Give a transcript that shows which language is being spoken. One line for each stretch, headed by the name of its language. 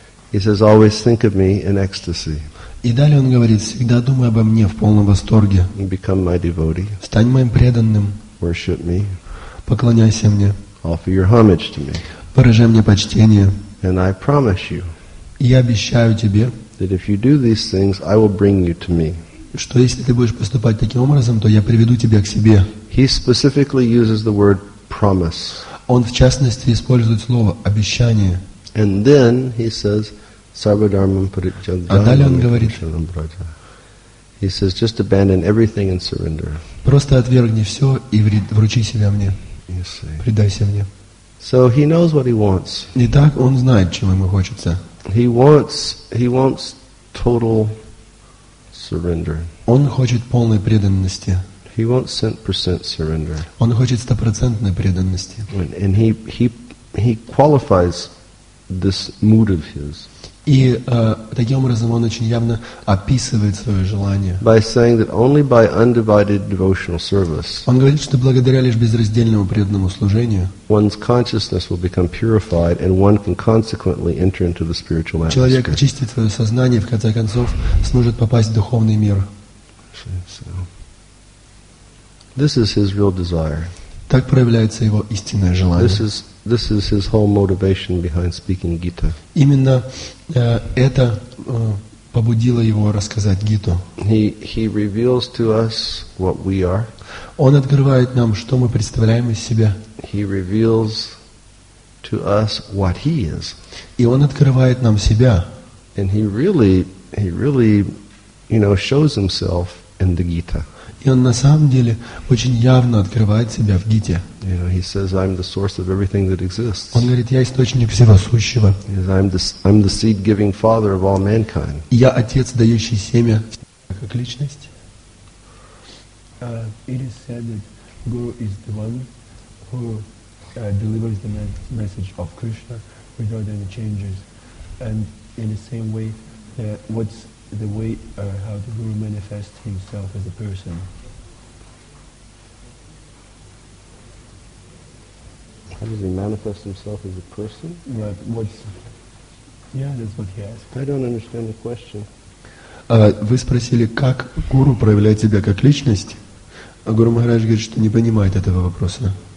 English: He says, always think of me in ecstasy.
Russian: И далее он говорит, всегда думай обо мне в полном восторге.
English: Become my devotee.
Russian: Стань моим преданным.
English: Worship me.
Russian: Поклоняйся мне.
English: Offer your homage to me.
Russian: Выражай мне почтение.
English: And I promise you.
Russian: Я обещаю тебе.
English: That if you do these things, I will bring you to me.
Russian: Что если ты будешь поступать таким образом, то я приведу тебя к себе.
English: He specifically uses the word promise.
Russian: Он в частности использует слово обещание.
English: And then he says,
Sanskrit: "Sarvadharmam parityagam."
Russian: А далее он говорит.
English: He says, "Just abandon everything and surrender."
Russian: Просто отвергни все и вручи себя мне. Предайся мне.
English: So he knows what he wants.
Russian: Итак, он знает, чего ему хочется.
English: He wants total surrender.
Russian: Он хочет полной преданности.
English: He wants 100% surrender.
Russian: Он хочет 100% преданности.
English: And he qualifies. This mood of his.
Russian: И таким образом он очень явно описывает свое желание.
English: By saying that only by undivided devotional service.
Russian: Он говорит, что благодаря лишь безраздельному преданному служению.
English: One's consciousness will become purified, and one can consequently enter into the spiritual atmosphere.
Russian: Человек очистит свое сознание, в конце концов сможет попасть в духовный мир.
English: This is his real desire.
Russian: Так проявляется его истинное желание.
English: This is his whole motivation behind speaking Gita.
Russian: Именно это побудило его рассказать Гиту.
English: He reveals to us what we are.
Russian: Он открывает нам, что мы представляем из себя.
English: He reveals to us what he is.
Russian: И он открывает нам себя.
English: And he really, you know, shows himself in the Gita.
Russian: И он на самом деле очень явно открывает себя в Гите.
English: You know, he says, I'm the source of everything that exists.
Russian: Он говорит, я источник всего сущего.
English: He says, I'm the seed-giving father of all mankind.
Russian: Я отец, дающий семя как личность.
English: It is said that Guru is the one who delivers the message of Krishna without any changes. And in the same way, the way how the Guru manifests himself as a person. How does he manifest himself as a person? That's what he asked. I don't understand the question.
Russian: Вы спросили, как Гуру проявляет себя как личность? А Гуру Махарадж говорит, что не понимает этого вопроса.